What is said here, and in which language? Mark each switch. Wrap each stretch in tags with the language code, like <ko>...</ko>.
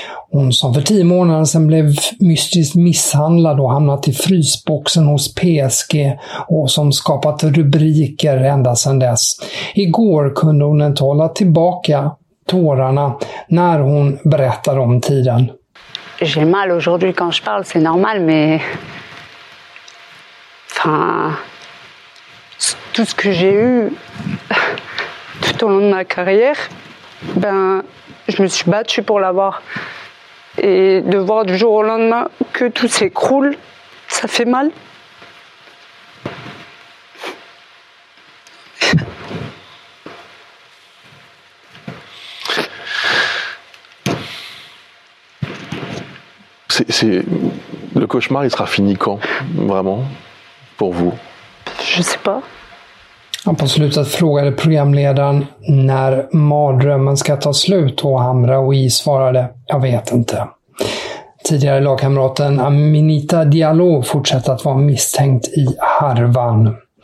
<sv>Hon som för 10 månader sedan blev mystiskt misshandlad och hamnat i frysboxen hos PSG och som skapat rubriker ända sedan dess. Igår kunde hon inte hålla tillbaka tårarna när hon berättade om tiden.</sv> <fr>J'ai mal aujourd'hui quand je parle, c'est normal, mais... Enfin... Tout ce que j'ai eu tout au long de ma carrière, ben, je me suis battue pour l'avoir. Et de voir du jour au lendemain que tout s'écroule, ça fait mal. Mmh. c'est le cauchemar, il sera fini quand, vraiment, pour vous? Je sais pas.</fr> <sv>På slutet frågade programledaren när mardrömmen ska ta slut och Hamra och I svarade, jag vet inte. Tidigare lagkamraten Aminita Diallo fortsätter att vara misstänkt i harvan.</sv>